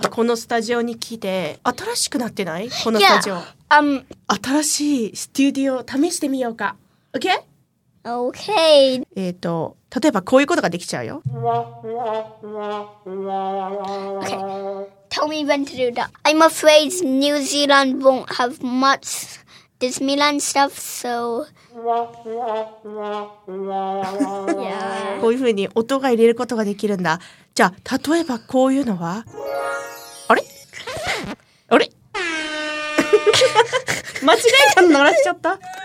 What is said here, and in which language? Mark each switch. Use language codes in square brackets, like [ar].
[ja] このスタジオに来て新しくなってない？このスタジオ。 [en] Yeah. [ja] 新しいスタジオ試してみようか。 [en] Okay? Okay. [ja] 例えばこういうことができちゃうよ。 [en] Okay. Tell me when to do that. I'm afraid New Zealand won't have much Disneyland stuff, so... [ja] こういう風に音が入れることができるんだ。じゃあ、例えばこういうのは？あれ？あれ？間違えたの鳴らしちゃった。